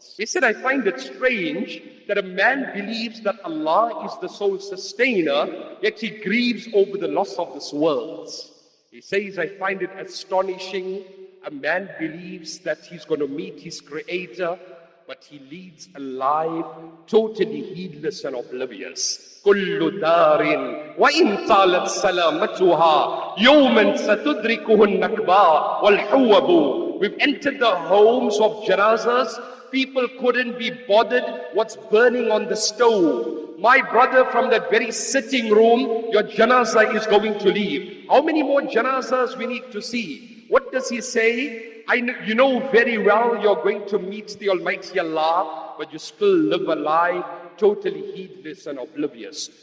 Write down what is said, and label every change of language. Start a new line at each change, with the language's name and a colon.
English: He said, I find it strange that a man believes that Allah is the sole sustainer yet he grieves over the loss of this world. He says, I find it astonishing, a man believes that he's going to meet his creator, but he leads a life totally heedless and oblivious.
Arabic: كل دار وإن طالت سلامتها يوما ستدركه النكباء والحوب.
English: We've entered the homes of janazas. People couldn't be bothered what's burning on the stove. My brother, from that very sitting room, your janazah is going to leave. How many more janazas we need to see? What does he say? You know very well you're going to meet the Almighty Allah, but you still live a lie, totally heedless and oblivious.